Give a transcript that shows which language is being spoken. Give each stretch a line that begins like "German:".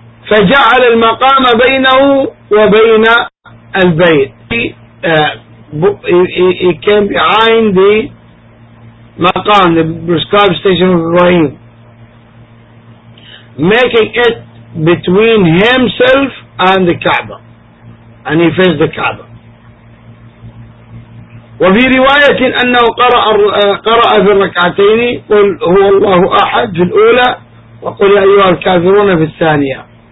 Arabic: فجعل المقام بينه وبين البيت.
English: He came behind the Maqam, the prescribed station of Ibrahim, making it between himself and the Kaaba, and he faced the Kaaba.
Arabic: وفي رواية أنه قرأ في الركعتين قل هو الله أحد في الأولى وقل أيها الكافرون في الثانية.